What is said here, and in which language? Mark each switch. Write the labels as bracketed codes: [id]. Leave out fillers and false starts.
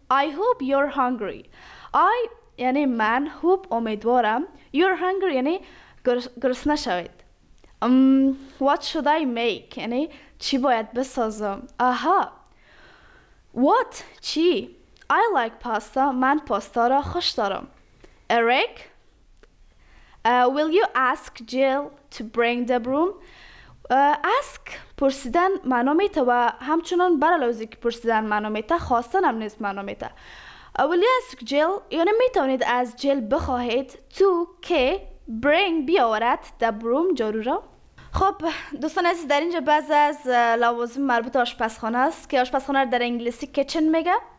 [en] I hope you're hungry. I [fa] یعنی من [en] hope [fa] امیدوارم. [en] you're hungry [fa] یعنی گرسنه شوید. [en] what should I make [fa] یعنی چی باید بسازم. آها what چی. [en] I like pasta [fa] من پاستا را خوش دارم. [en] Eric will you ask Jill to bring the broom. [fa] ask پرسیدن منو میته و همچنان برالوزی که پرسیدن منو میته خواستنم نیست منو میته. [en] will you ask Jill [fa] یعنی میتونید از Jill بخواهید to که [en] bring [fa] بیاورد [en] the broom [fa] جارو را. خب دوستان عزیز، در اینجا بعض از لوازم مربوط آشپزخانه است که آشپزخانه در انگلیسی کیچن میگه.